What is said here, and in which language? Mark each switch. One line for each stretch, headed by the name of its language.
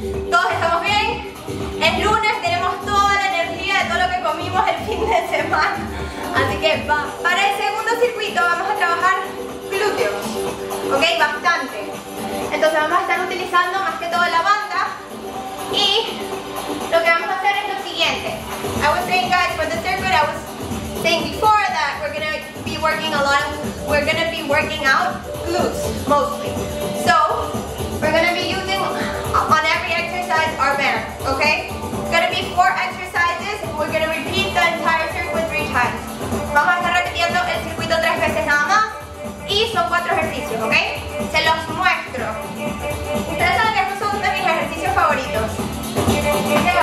Spanish: Todos estamos bien. Es lunes, tenemos toda la energía de todo lo que comimos el fin de semana. Así que vamos. Para el segundo circuito vamos a trabajar glúteos. Ok, bastante. Entonces vamos a estar utilizando más que todo la banda. Y lo que vamos a hacer es lo siguiente.
English: I was saying, guys, for the circuit, I was saying before that we're gonna be working a lot, we're gonna be working out glutes mostly. So, we're gonna be using on every exercise our band, okay? It's gonna be 4 exercises, and we're gonna repeat the entire circuit 3 times.
Spanish: Vamos a estar repitiendo el circuito 3 veces nada más, y son 4 ejercicios, okay? Se los muestro. Ustedes saben que estos son de mis ejercicios favoritos.